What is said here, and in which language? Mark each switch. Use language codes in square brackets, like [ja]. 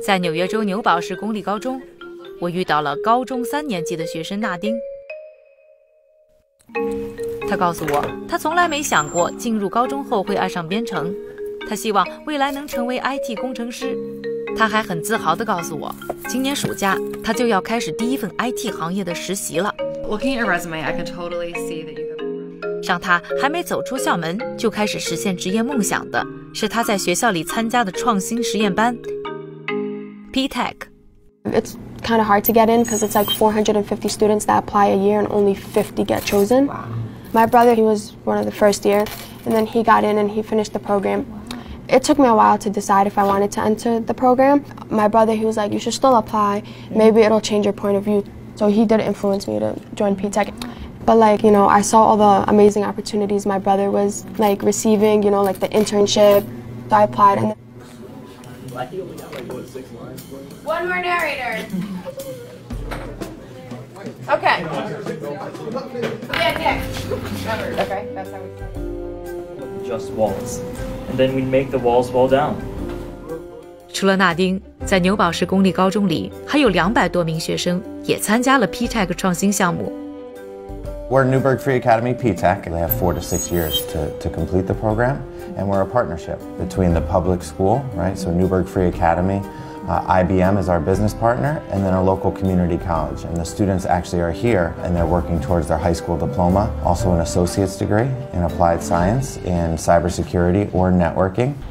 [zh] 在纽约州纽堡市公立高中，我遇到了高中三年级的学生纳丁。他告诉我，他从来没想过进入高中后会爱上编程，他希望未来能成为 IT 工程师。他还很自豪地告诉我，今年暑假他就要开始第一份 IT 行业的实习了。 [en] Looking at your resume, I can totally see that you have. [zh] 让他还没走出校门就开始实现职业梦想的是他在学校里参加的创新实验班 ，PTech。 [en] It's kind of hard to get in because it's like 450 students that apply a year and only 50 get chosen. My brother, he was one of the first year, and then he got in and he finished the program. It took me a while to decide if I wanted to enter the program. My brother, he was like, you should still apply. Maybe it'll change your point of view. So he did influence me to join PTech. But like, you know, I saw all the amazing opportunities my brother was like receiving, you know, like the internship. So I applied. And one more narrator. Okay. Yeah, yeah. Okay, that's how we start. Just walls. And then we make the walls fall down. [zh] 除了纳丁，在纽堡市公立高中里，还有200多名学生也参加了 PTech 创新项目。 [en] We're Newburgh Free Academy PTech. They have 4 to 6 years to complete the program, and we're a partnership between the public school, right? So Newburgh Free Academy, IBM is our business partner, and then a local community college. And the students actually are here, and they're working towards their high school diploma, also an associate's degree in applied science in cybersecurity or networking.